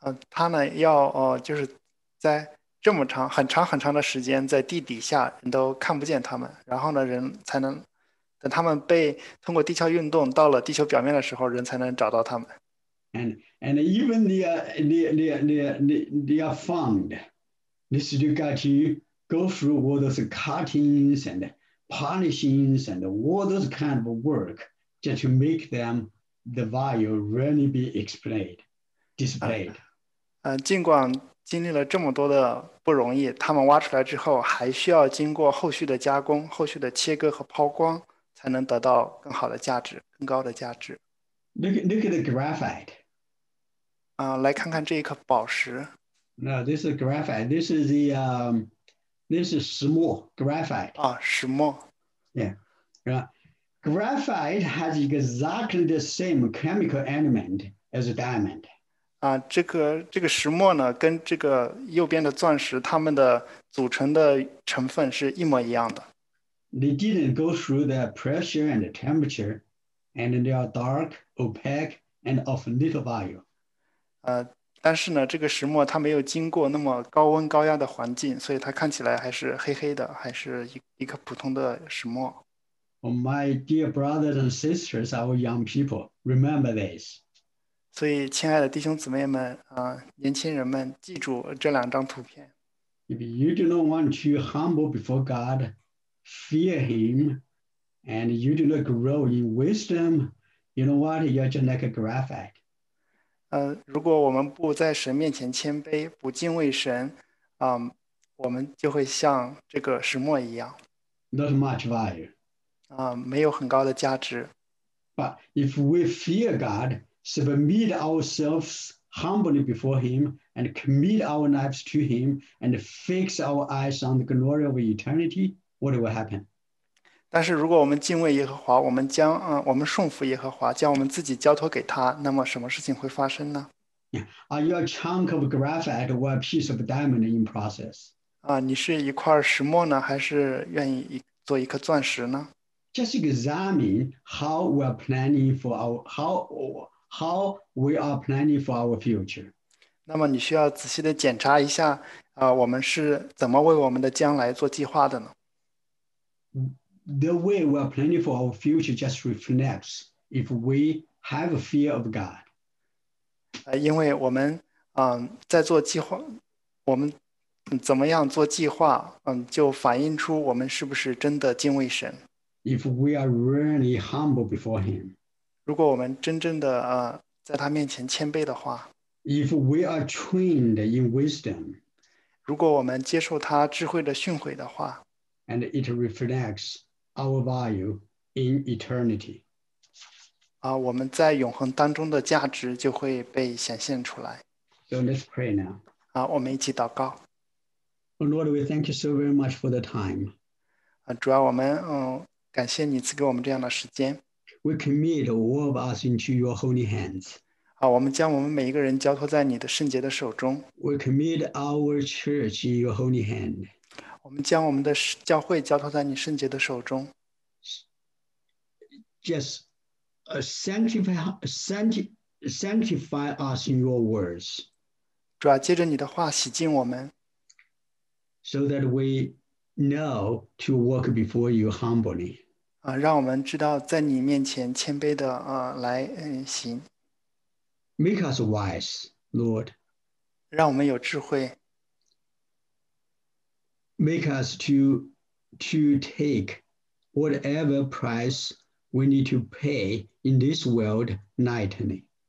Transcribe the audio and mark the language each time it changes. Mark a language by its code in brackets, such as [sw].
[zh] 它呢要就是在。这么长，很长很长的时间，在地底下，人都看不见他们。然后呢，人才能等他们被通过地壳运动到了地球表面的时候，人才能找到他们。 [en] And even they are found. They still got to go through all those cuttings and polishings and all those kind of work just to make them the value really be explained, displayed. [zh] 尽管。经历了这么多的不容易，他们挖出来之后，还需要经过后续的加工、后续的切割和抛光，才能得到更好的价值、更高的价值。 [en] Look at the graphite. [zh] 来看看这一颗宝石。 [en] No, this is graphite. This is small graphite. [zh] 石墨。 [en] Yeah. Yeah. Graphite has exactly the same chemical element as a diamond. [zh] 这个石墨呢，跟这个右边的钻石，它们的组成的成分是一模一样的。 [en] They didn't go through the pressure and the temperature, and they are dark, opaque, and of little value. [zh] 但是呢，这个石墨它没有经过那么高温高压的环境，所以它看起来还是黑黑的，还是一颗普通的石墨。 [en] Oh, my dear brothers and sisters, our young people, remember this. [zh] 所以，亲爱的弟兄姊妹们，年轻人们，记住这两张图片。 [en] If you do not want to humble before God, fear Him, and you do not grow in wisdom, you know what? You're just like a graphite. [zh] 如果我们不在神面前谦卑，不敬畏神，我们就会像这个石墨一样， [en] Not much value. [zh] 没有很高的价值。 [en] But if we fear God, submit ourselves humbly before Him, and commit our lives to Him, and fix our eyes on the glory of eternity, what will happen? [zh] 但是，如果我们敬畏耶和华，我们顺服耶和华，将我们自己交托给他，那么什么事情会发生呢？ [en] Yeah. Are you a chunk of graphite or a piece of diamond in process? [zh] 你是一块石墨呢，还是愿意做一颗钻石呢？ [en] Just examine how we are planning for how we are planning for our future. [zh] 那么，你需要仔细的检查一下，我们是怎么为我们的将来做计划的呢？ [en] The way we are planning for our future just reflects if we have a fear of God. [zh] 因为我们，在做计划，我们怎么样做计划，就反映出我们是不是真的敬畏神。 [en] If we are really humble before Him, [zh] 如果我们真正的，在他面前谦卑的话， [en] if we are trained in wisdom, [zh] 如果我们接受他智慧的训诲的话， [en] and it reflects our value in eternity. [zh] 我们在永恒当中的价值就会被显现出来。 [en] So let's pray now. [zh] 我们一起祷告。 [en] Oh Lord, we thank you so very much for the time. [zh] 主要我们感谢你赐给我们这样的时间。 [en] We commit all of us into your holy hands. [zh] 我们将我们每一个人交托在你的圣洁的手中。 [en] We commit our church in your holy hand. [zh] 我们将我们的教会交托在你圣洁的手中。 [en] Just sanctify, Sanctify us in your words, [zh] 主啊，借着你的话洗净我们。 [en] so that we know to walk before you humbly. [zh] 让我们知道在你面前谦卑的行。 [en] Make us wise, Lord. [zh] 让我们有智慧。 [en] Make us to take whatever price we need to pay in this world knightly.